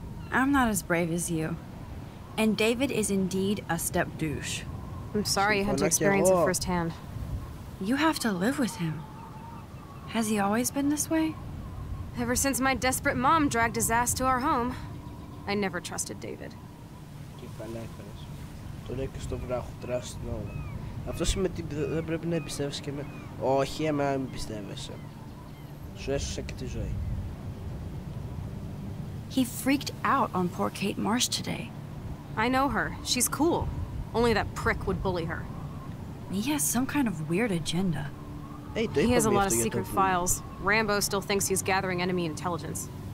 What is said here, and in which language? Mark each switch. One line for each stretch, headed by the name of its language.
English: I'm not as brave as you. And David is indeed a step douche. I'm sorry you had to experience it firsthand. You have to live with him. Has he always been this way? Ever since my desperate mom dragged his ass to our home, I never trusted David.
Greek: Το λέει και στο βράχο,
English: trust no one.
Greek: Αυτό σημαίνει ότι δεν πρέπει να εμπιστεύεσαι και με. Όχι, εμένα μην πιστεύεσαι. Σου έσωσε και τη ζωή.
English: He freaked out on poor Kate Marsh today. I know her. She's cool. Only that prick would bully her. He has some kind of weird agenda. He has a lot of secret files. Rambo still thinks he's gathering enemy intelligence.